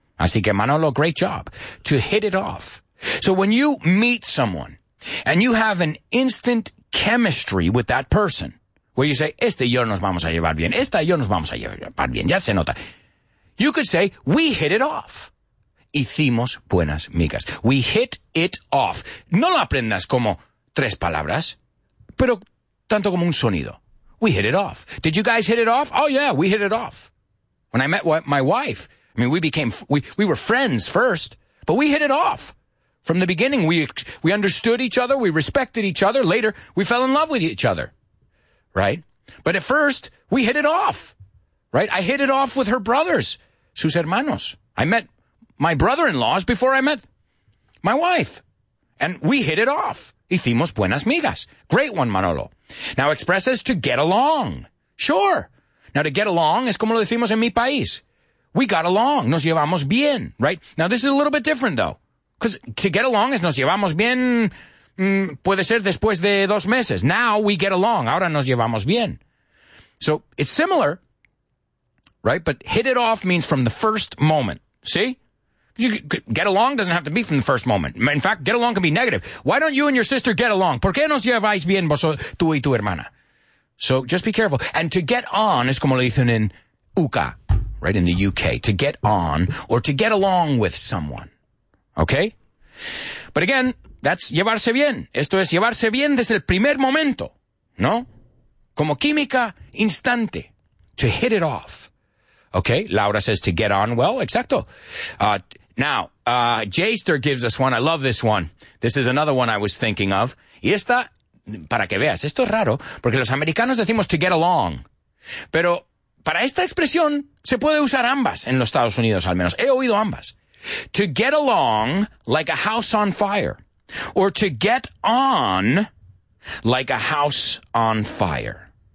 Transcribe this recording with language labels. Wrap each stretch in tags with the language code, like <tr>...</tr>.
<es>Así que</es> <en>Manolo, great job. To hit it off. So when you meet someone and you have an instant chemistry with that person, where you say,</en> <es>este y yo nos vamos a llevar bien, esta y yo nos vamos a llevar bien, ya se nota.</es> <en>You could say, we hit it off.</en> <es>Hicimos buenas migas.</es> <en>We hit it off.</en> <es>No lo aprendas como tres palabras, pero tanto como un sonido.</es> <en>We hit it off. Did you guys hit it off? Oh, yeah, we hit it off. When I met my wife, I mean, we were friends first, but we hit it off. From the beginning, we understood each other. We respected each other. Later, we fell in love with each other, right? But at first, we hit it off, right? I hit it off with her brothers,</en> <es>sus hermanos.</es> <en>I met my brother-in-laws before I met my wife, and we hit it off.</en> <es>Hicimos buenas migas.</es> <en>Great one, Manolo. Now, express is to get along. Sure. Now, to get along</en> <es>es como lo decimos en mi país.</es> <en>We got along.</en> <es>Nos llevamos bien,</es> <en>right? Now, this is a little bit different, though. Because to get along</en> <es>es nos llevamos bien, puede ser después de dos meses.</es> <en>Now, we get along.</en> <es>Ahora nos llevamos bien.</es> <en>So, it's similar, right? But hit it off means from the first moment. See? You get along doesn't have to be from the first moment. In fact, get along can be negative. Why don't you and your sister get along?</en> <es>¿Por qué no lleváis bien tú y tu hermana?</es> <en>So just be careful. And to get on is</en> <es>como le dicen en UCA,</es> <en>right, in the UK. To get on or to get along with someone. Okay? But again, that's llevarse bien.</en> <es>Esto es llevarse bien desde el primer momento. ¿No? Como química instante.</es> <en>To hit it off. Okay? Laura says to get on. Well, exacto. Jaster gives us one. I love this one. This is another one I was thinking of.</en> <es>Y esta, para que veas, esto es raro, porque los americanos decimos to get along. Pero para esta expresión se puede usar ambas en los Estados Unidos, al menos. He oído ambas.</es> <en>To get along like a house on fire. Or to get on like a house on fire.</en>